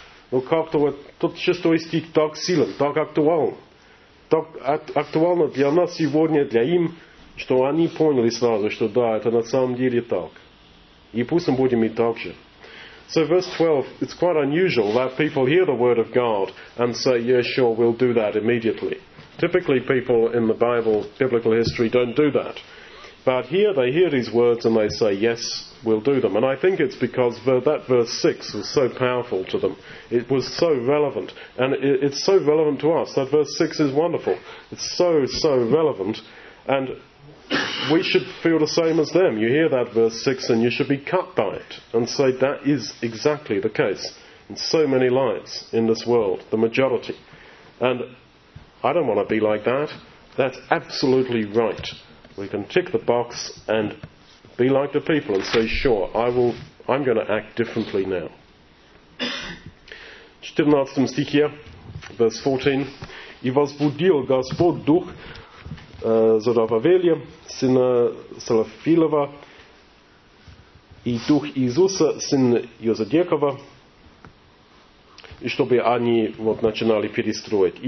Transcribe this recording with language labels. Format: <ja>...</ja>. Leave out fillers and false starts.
<ru>Но как-то вот тот шестой стих так силен, так актуален. Так актуально для нас сегодня, для им, что они поняли сразу, что да, это на самом деле так. И пусть мы будем и так же.</ru> <en>So verse 12, it's quite unusual that people hear the word of God and say, yeah, sure, we'll do that immediately. Typically, people in the Bible, biblical history, don't do that. But here, they hear these words and they say, yes, we'll do them. And I think it's because that verse 6 was so powerful to them. It was so relevant. And it's so relevant to us. That verse 6 is wonderful. It's so, so relevant. And we should feel the same as them. You hear that verse 6 and you should be cut by it. And say, that is exactly the case in so many lives in this world, the majority. And I don't want to be like that. That's absolutely right. We can tick the box and be like the people and say, sure, I'm going to act differently now.</en> <ru>14 стихе,</ru> <en>verse 14.</en> <ru>И возбудил Господь дух Зорававеля, сына Салафилова, и дух Иисуса, сына Йозадекова, и чтобы они вот начинали перестроить.</ru>